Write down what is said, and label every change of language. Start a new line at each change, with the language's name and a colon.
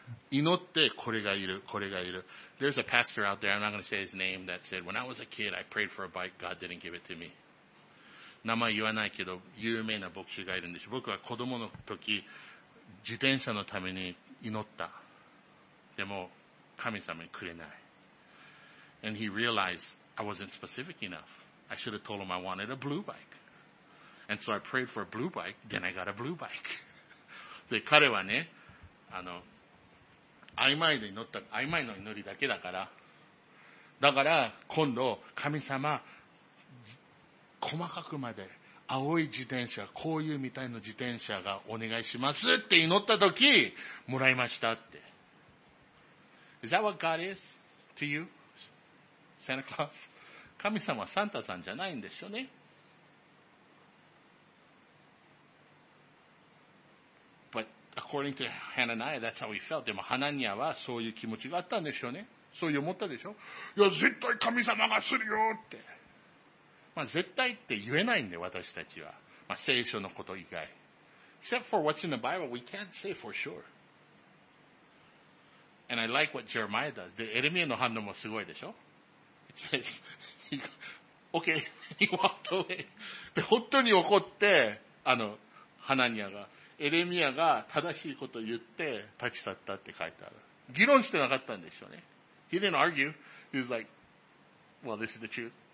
Japanese: 祈ってこれがいるこれがいる。
English: There's a pastor out there, I'm not going to say his name, that said when I was a kid I prayed for a bike, God didn't give it to me.
Japanese: 名前言わないけど有名な牧師がいるんでしょ。僕は子供の時自転車のために祈った。でも神様にくれない。
English: And he realized I wasn't specific enough. I should have told him I wanted a blue bike. And so I prayed for a blue bike, then I got a blue bike.
Japanese: で、彼はね、曖昧で祈った、曖昧の祈りだけだから。だから、今度、神様、細かくまで、青い自転車、こういうみたいな自転車がお願いしますって祈った時、もらいましたって。
English: Is that what God is to you? Santa Claus?
Japanese: 神様はサンタさんじゃないんでしょうね。
English: But according to Hananiah, that's how he felt.
Japanese: でもハナニアはそういう気持ちがあったんでしょうね。そう思ったでしょ。いや、絶対神様がするよって。まあ、絶対って言えないんで、私たちは。まあ、聖書のこと以外。
English: Except for what's in the Bible, we can't say for sure. And I like what Jeremiah does. The Jeremiah
Japanese: の反応もすごいでしょ?
English: It says, okay, he walked away.
Japanese: で、本当に怒って、ハナニアが、エレミアが正しいことを言って立ち去ったって書いてある。議論してなかったんでしょうね。
English: He didn't argue. He was like, well, this is the truth.